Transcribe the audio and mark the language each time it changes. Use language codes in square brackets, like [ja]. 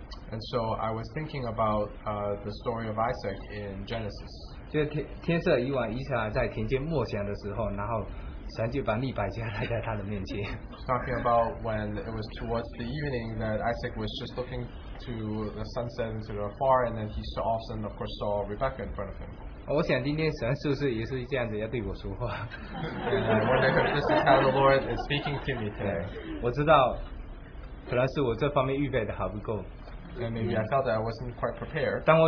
[en] And so I was thinking about the story of Isaac in Genesis. [zh] 就天色已晚，以撒在田间默想的时候，然后神就把利百加带在他的面前。 [en] Talking about when it was towards the evening that Isaac was just looking to the sunset and to the far, and then he saw, all of a sudden, of course, saw Rebecca in front of him. [zh] 我想今天神是不是也是这样子要对我说话？ [en] I wonder if this is how the Lord is speaking to me today. [zh] 我知道，可能是我这方面预备的还不够。 [en] And maybe I felt that I wasn't quite prepared.